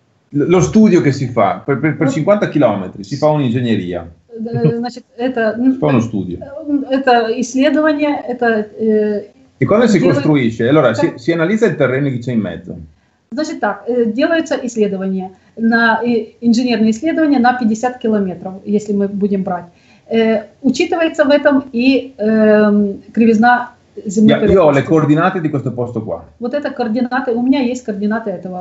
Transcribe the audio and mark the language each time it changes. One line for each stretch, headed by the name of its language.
Italian: Lo studio che si fa per 50 km si fa un'ingegneria.
Russian: Это исследование, это... И когда делает...
Italian: Si analizza il terreno che c'è in mezzo.
Russian: Значит так, делается исследование, инженерное исследование на 50 километров, если мы будем брать. Учитывается в этом и кривизна земли.
Italian: Я ho le coordinate di questo posto qua.
Russian: Вот это координаты, у меня есть координаты этого.